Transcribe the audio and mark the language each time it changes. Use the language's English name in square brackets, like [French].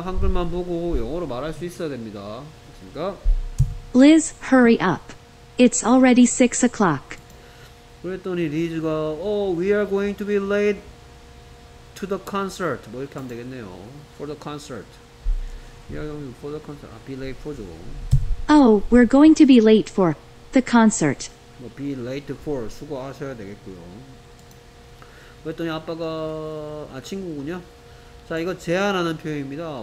[Korean] 한글만 보고 영어로 말할 수 있어야 됩니다. 됐습니까? [English] Liz, hurry up. It's already 6 o'clock. [Korean] 그랬더니 리즈가 [English] Oh, we are going to be late to the concert. [Korean] 뭐 이렇게 하면 되겠네요. [English] For the concert. Yeah, for the concert. [Korean] 아, [English] be late for죠. Oh, we're going to be late for the concert. [Korean] 뭐 [English] be late for [Korean] 수고하셔야 되겠고요. 그랬더니 아빠가 아 친구군요. 자, 이거 제안하는 표현입니다.